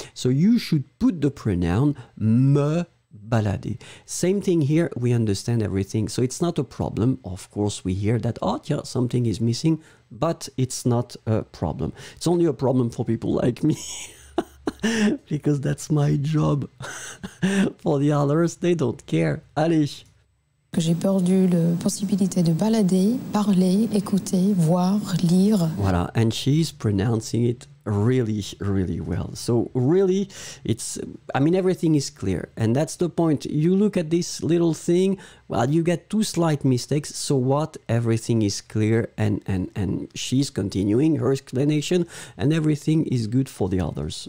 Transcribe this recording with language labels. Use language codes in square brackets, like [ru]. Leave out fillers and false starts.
[en] So you should put the pronoun me balader. Same thing here, we understand everything, so it's not a problem. Of course, we hear that, oh yeah, something is missing, but it's not a problem. It's only a problem for people like me, because that's my job. For the others, they don't care. Allez. [fr] Que j'ai perdu la possibilité de balader, parler, écouter, voir, lire. [en] Voilà, and she's pronouncing it really, really well. So really, everything is clear. And that's the point. You look at this little thing, well, you get two slight mistakes. So what? Everything is clear and she's continuing her explanation and everything is good for the others.